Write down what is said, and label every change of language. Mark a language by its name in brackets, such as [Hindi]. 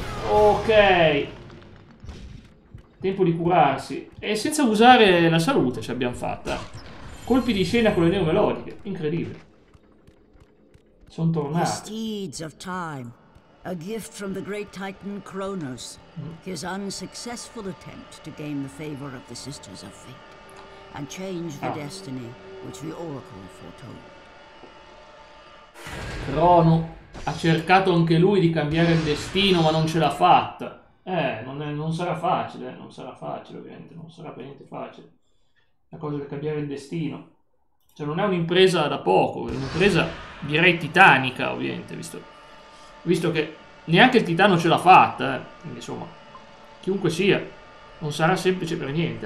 [Italian] Ok. Tempo di curarsi. E senza usare la salute ce l'abbiamo fatta. Colpi di scena con le neomelodiche. Incredibile. Sono tornati. Steeds of time. [English] A gift from the great titan Cronos, his unsuccessful attempt to gain the favor of the Sisters of Fate and change the destiny which the Oracle foretold. [Italian] Crono ha cercato anche lui di cambiare il destino, ma non ce l'ha fatta. Non sarà facile, non sarà facile, ovviamente, non sarà per niente facile la cosa di cambiare il destino. Cioè, non è un'impresa da poco, è un'impresa direi titanica, ovviamente, visto che neanche il titano ce l'ha fatta, insomma, chiunque sia, non sarà semplice per niente.